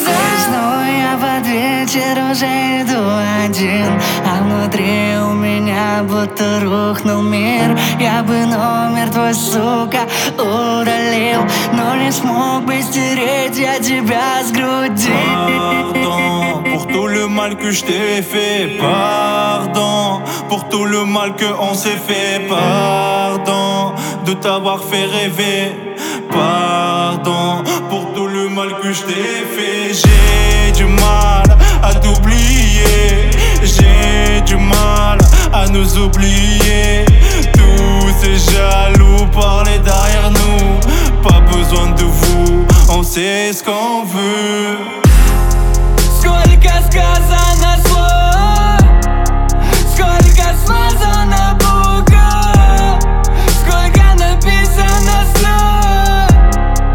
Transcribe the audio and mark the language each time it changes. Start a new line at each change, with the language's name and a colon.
Russian: И снова я под вечер уже иду один. А внутри у меня будто рухнул мир. Я бы номер твой, сука, удалил, но не смог бы стереть я тебя с груди.
French: Pardon pour tout le mal que je t'ai fait. Pardon pour tout le mal que on s'est fait. Pardon de t'avoir fait rêver. Pardon pour tout le mal que je t'ai fait. J'ai du mal à t'oublier. J'ai du mal à nous oublier. Tous ces jaloux parlaient derrière nous. Pas besoin de vous, on sait ce qu'on veut.
Russian: Сколько сказано слов, сколько смазано букв, сколько написано слов.